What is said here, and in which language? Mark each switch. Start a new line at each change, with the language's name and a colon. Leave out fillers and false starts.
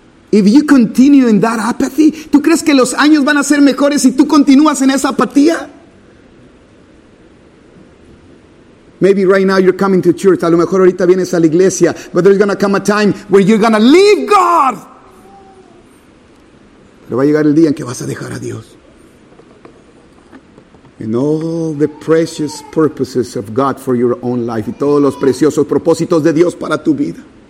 English: If you continue in that apathy,
Spanish: ¿tú crees que los años van a ser mejores si tú continúas en esa apatía?
English: Maybe right now you're coming to church.
Spanish: A lo mejor ahorita vienes a la iglesia.
English: But there's going to come a time where you're going to leave God.
Spanish: Pero va a llegar el día en que vas a dejar a Dios.
English: And all the precious purposes of God for your own life.
Spanish: Y todos los preciosos propósitos de Dios para tu vida.